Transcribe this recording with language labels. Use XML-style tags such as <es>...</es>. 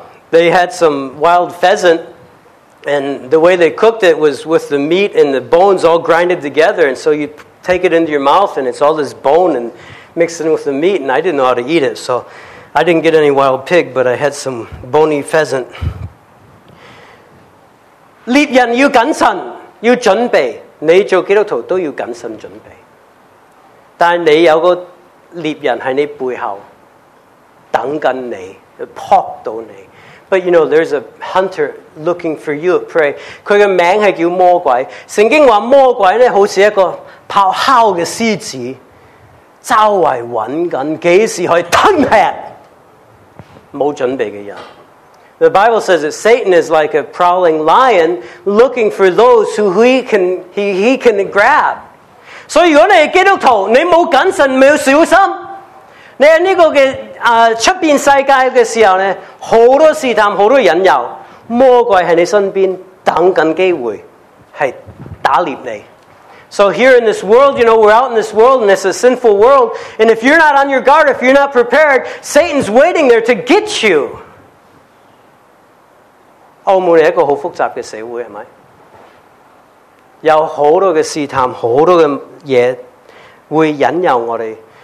<en>They had some wild pheasant, and the way they cooked it was with the meat and the bones all grinded together. And so you take it into your mouth, and it's all this bone and mixed in with the meat. And I didn't know how to eat it, so I didn't get any wild pig, but I had some bony pheasant.</en> <yue>獵人要謹慎，要準備。你做基督徒都要謹慎準備，但你有個。獵人喺你背後等緊你，撲到你。</yue> <en>But you know, there's a hunter looking for you, prey.</en> <yue>佢嘅名係叫魔鬼。聖經話魔鬼咧，好似一個咆哮嘅獅子，周圍揾緊幾時可以吞吃冇準備嘅人。</yue> <en>The Bible says that Satan is like a prowling lion looking for those who he can grab.</en> <yue>所以如果你是基督徒，你冇谨慎，冇小心，你喺呢个嘅出边世界嘅时候咧，好多试探，好多引诱，魔鬼喺你身边等紧机会，系打猎你。</yue> <en>So here in this world, you know, we're out in this world, and it's a sinful world. And if you're not on your guard, if you're not prepared, Satan's waiting there to get you.</en> <yue>澳门系一个好复杂嘅社会，系咪？有好多嘅试探，好多嘅嘢会引诱我哋。</yue>